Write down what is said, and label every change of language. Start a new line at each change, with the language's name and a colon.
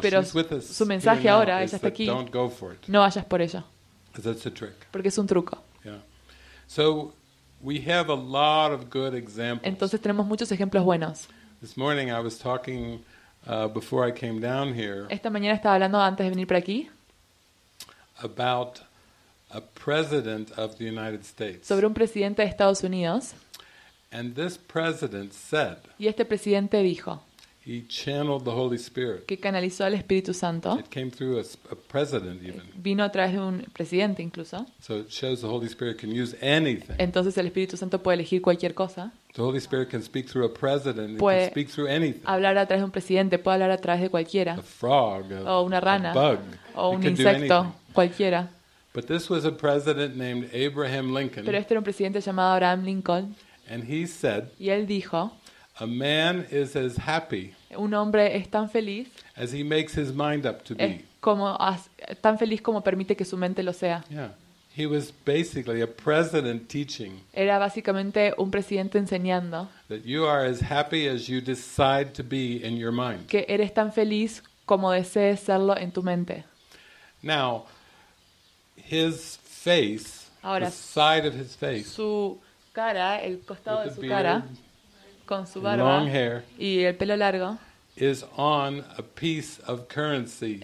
Spanish: Pero
English: she's with us
Spanish: su mensaje
English: here
Spanish: ahora,
English: now,
Spanish: ella está aquí.
English: Don't go for it.
Spanish: No vayas por ella.
English: That's a trick.
Spanish: Porque es un truco.
English: Yeah. So we have a lot of good examples.
Spanish: Entonces tenemos muchos ejemplos buenos.
English: This morning I was talking before I came down here.
Spanish: Esta mañana estaba hablando antes de venir para aquí.
English: About a president of the United States.
Spanish: Sobre un presidente de Estados Unidos.
English: And this president said.
Spanish: Y este presidente dijo.
English: He channeled the Holy Spirit.
Spanish: Que canalizó al Espíritu Santo.
English: It came through a president even.
Spanish: Vino a través de un presidente incluso.
English: So it shows the Holy Spirit can use anything.
Spanish: Entonces el Espíritu Santo puede elegir cualquier cosa.
English: The Holy Spirit can speak through a president.
Spanish: Puede
English: can speak through anything.
Spanish: Hablar a través de un presidente, puede hablar a través de cualquiera.
English: A frog.
Spanish: O una rana.
English: A bug.
Spanish: O un insecto. Cualquiera.
English: But this was a president named Abraham Lincoln.
Spanish: Pero este era un presidente llamado Abraham Lincoln.
English: And he said,
Spanish: y él dijo,
English: a man is as happy
Spanish: un hombre es tan feliz
English: as he makes his mind up to be.
Spanish: Como tan feliz como permite que su mente lo sea.
English: Yeah. He was basically a president teaching.
Spanish: Era básicamente un presidente enseñando.
English: That you are as happy as you decide to be in your mind.
Spanish: Que eres tan feliz como desees serlo en tu mente.
English: Now, his face,
Spanish: ahora,
English: the side of his face.
Spanish: Su cara, el costado
English: with
Spanish: de su
English: beard,
Spanish: cara con su barba
English: long hair,
Spanish: y el pelo largo
English: is on a piece of currency.